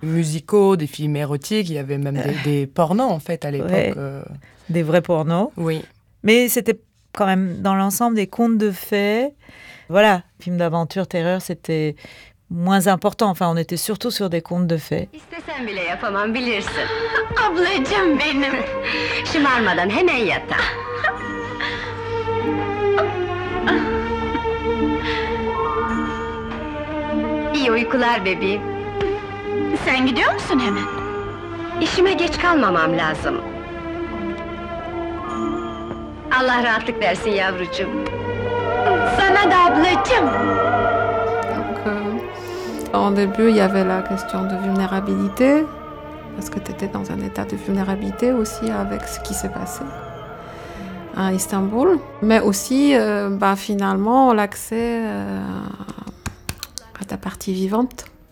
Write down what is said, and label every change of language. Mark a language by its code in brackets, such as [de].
[fr] Musicaux, des films érotiques, il y avait même des pornos en fait à l'époque. Ouais. Des vrais pornos. Oui. Mais c'était quand même dans l'ensemble des contes de fées. Voilà, films d'aventure, terreur, c'était moins important. Enfin, on était surtout sur des contes de fées. [tr] İstesen bile yapamam bilirsin. Ablacığım benim. Şımarmadan hemen yata. İyi uykular bebeğim. Sen gidiyor musun hemen? İşime geç kalmamam lazım. Allah rahatlık versin yavrucuğum. Sana da ablacığım. [fr] En début, il y avait la question de vulnérabilité, parce que tu étais dans un état de vulnérabilité aussi avec ce qui s'est passé à Istanbul. Mais aussi, finalement, l'accès à ta partie vivante.